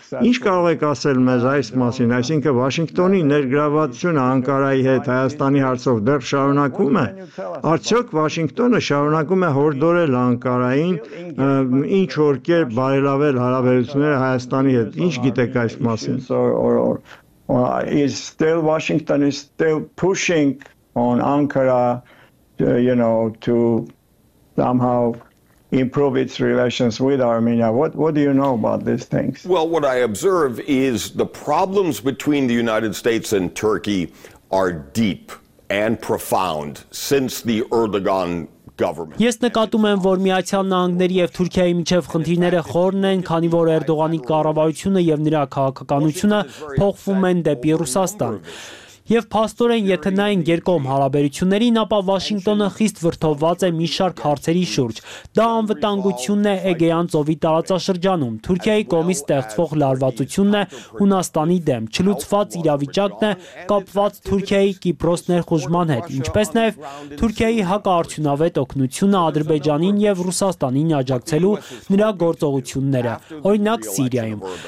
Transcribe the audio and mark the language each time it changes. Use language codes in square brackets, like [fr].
[hy] Ինչ կարող եք ասել մեզ այս մասին, այսինքն Վաշինգտոնի ներգրավվածությունը Անկարայի հետ Հայաստանի հարցով դեռ շարունակվում է։ Արդյոք Վաշինգտոնը շարունակում է հորդորել Անկարային ինչ որ կերպ բարելավել հարաբերությունները Հայաստանի հետ։ Ինչ գիտեք այս մասին։ [en] Is still Washington is still pushing on Ankara to, you know, to somehow improve its relations with Armenia. What do you know about these things? Well, what I observe is the problems between the United States and Turkey are deep and profound since the Erdogan government. [hy] Ես նկատում եմ, որ Միացյալ Նահանգների եւ Թուրքիայի միջև խնդիրները խորն են, քանի որ Էրդողանի կառավարությունը եւ նրա քաղաքականությունը փոխվում են դեպի Ռուսաստան։ Եվ փաստորեն, եթե նայեն երկկողմ հարաբերություններին, ապա Վաշինգտոնը խիստ վրթովված է մի շարք հարցերի շուրջ։ Դա անվտանգությունն է Էգեյան ծովի տարածաշրջանում, Թուրքիայի կողմից ստեղծվող լարվածությունն է Հունաստանի դեմ, չլուծված իրավիճակն է կապված Թուրքիայի Կիպրոս ներխուժման հետ, ինչպես նաև Թուրքիայի հակաարդյունավետ օգնությունը Ադրբեջանին եւ Ռուսաստանին աջակցելու նրա գործողությունները, օրինակ Սիրիայում։